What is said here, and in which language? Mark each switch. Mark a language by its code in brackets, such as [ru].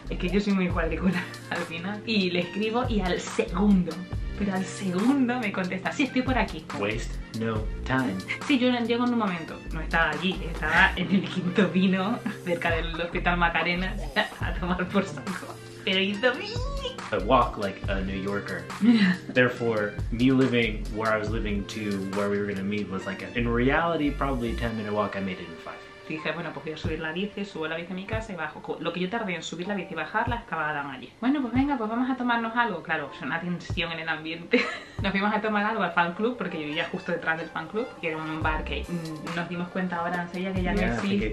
[es] Es que yo soy muy cuadrícula al final. Y le escribo y al segundo, pero al segundo me contesta, sí, estoy por aquí. [en] Waste no time. [es] Sí, yo llego en un momento. No estaba allí, estaba en el Quinto Vino, cerca del Hospital Macarena, a tomar por saco. Pero hizo... [en] I walk like a New Yorker. Therefore, me living where I was living to where we were going to meet was like a, in reality, probably a 10-minute walk. I made it in 5. [es] Dije, bueno, pues voy a subir la bici, subo la bici a mi casa y bajo. Lo que yo tardé en subir la bici y bajarla estaba Adam allí. Bueno, pues venga, pues vamos a tomarnos algo. Claro, suena tensión en el ambiente. Nos fuimos a tomar algo al fan club, porque yo vivía justo detrás del fan club, que era un bar que nos dimos cuenta ahora en Sevilla que ya no existe.